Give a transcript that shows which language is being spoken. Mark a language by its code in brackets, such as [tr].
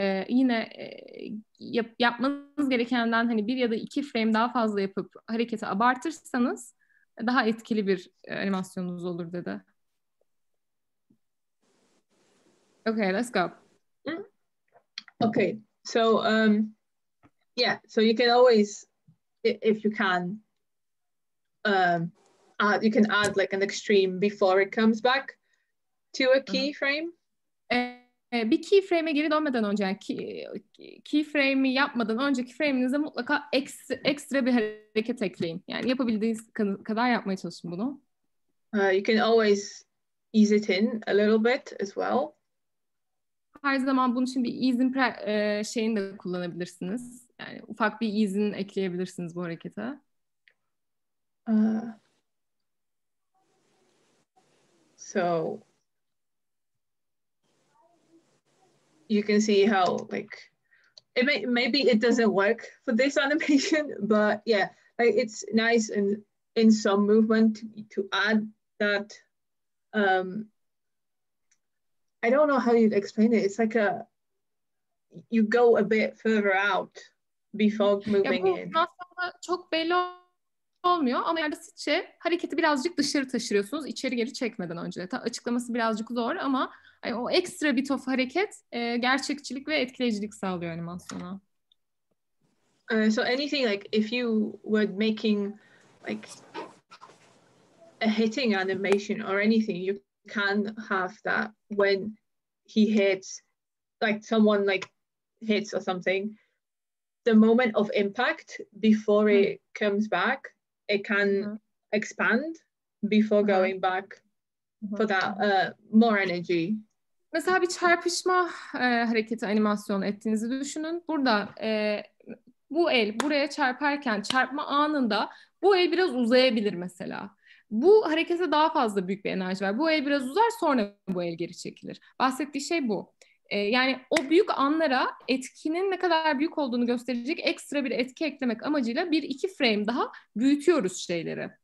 [tr] Yine yapmanız gerekenden hani bir ya da iki frame daha fazla yapıp hareketi abartırsanız daha etkili bir animasyonunuz olur dedi. [en] Okay, let's go. Okay, so so you can always, if you can, you can add like an extreme before it comes back to a keyframe. [tr] Bir keyframe'e geri dönmeden önce, yani keyframe'i yapmadan önceki frame'inize mutlaka ekstra bir hareket ekleyin. Yani yapabildiğiniz kadar yapmaya çalışın bunu. [en] You can always ease it in a little bit as well. [tr] Her zaman bunun için bir easing şeyini de kullanabilirsiniz. Yani ufak bir easing ekleyebilirsiniz bu harekete. [en] So you can see how like maybe it doesn't work for this animation, but yeah, like it's nice in some movement to add that. I don't know how you'd explain it. It's like you go a bit further out before moving in. [tr] Çok belli olmuyor ama yerde sıçça hareketi birazcık dışarı taşırıyorsunuz, içeri geri çekmeden önce. Açıklaması birazcık zor ama o ekstra [en] bit of [tr] hareket gerçekçilik ve etkileyicilik sağlıyor animasyona. [en] So anything like if you were making like a hitting animation or anything, you can have that when he hits, like someone like hits or something, the moment of impact before it comes back, it can expand before going back for that more energy. [tr] Mesela bir çarpışma hareketi animasyon ettiğinizi düşünün. Burada bu el buraya çarparken çarpma anında bu el biraz uzayabilir mesela. Bu harekete daha fazla büyük bir enerji var. Bu el biraz uzar, sonra bu el geri çekilir. Bahsettiği şey bu. Yani o büyük anlara etkinin ne kadar büyük olduğunu gösterecek ekstra bir etki eklemek amacıyla bir iki frame daha büyütüyoruz şeyleri.